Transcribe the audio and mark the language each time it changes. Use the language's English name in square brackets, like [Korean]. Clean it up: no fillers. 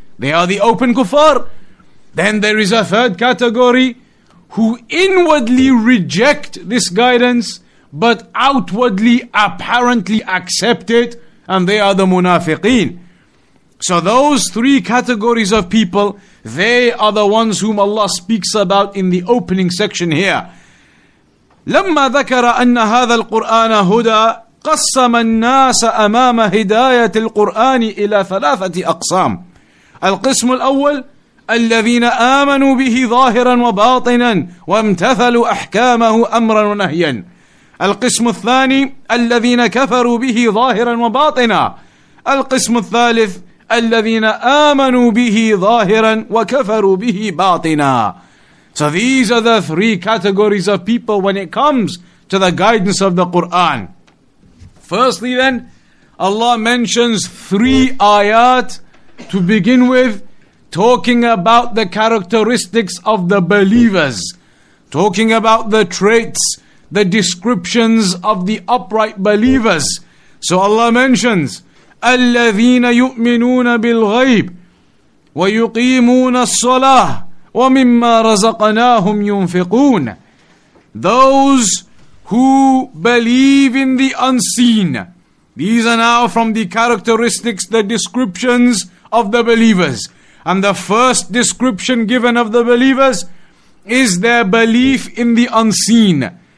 [English] They are the open kuffar. Then there is a 3rd category who inwardly reject this guidance but outwardly apparently accept it, and they are the munafiqeen. So those 3 categories of people, they are the ones whom Allah speaks about in the opening section here. [Arabic] لَمَّا ذَكَرَ أَنَّ هَذَا الْقُرْآنَ هُدَى قسم الناس أمام هداية القرآن إلى ثلاثة أقسام. القسم الأول الذين آمنوا به ظاهرا وباطنا وامتثلوا أحكامه أمرا ونهيا. القسم الثاني الذين كفروا به ظاهرا وباطنا. القسم الثالث الذين آمنوا به ظاهرا وكفروا به باطنا. [English] So these are the three categories of people when it comes to the guidance of the Quran. Firstly then, Allah mentions three ayat to begin with, talking about the characteristics of the believers, talking about the traits, the descriptions of the upright believers. So Allah mentions, [Arabic] الَّذِينَ يُؤْمِنُونَ بِالْغَيْبِ وَيُقِيمُونَ الصَّلَاةِ وَمِمَّا رَزَقَنَاهُمْ يُنْفِقُونَ. [English] Those who believe in the unseen. These are now from the characteristics, the descriptions of the believers. And the first description given of the believers is their belief in the unseen.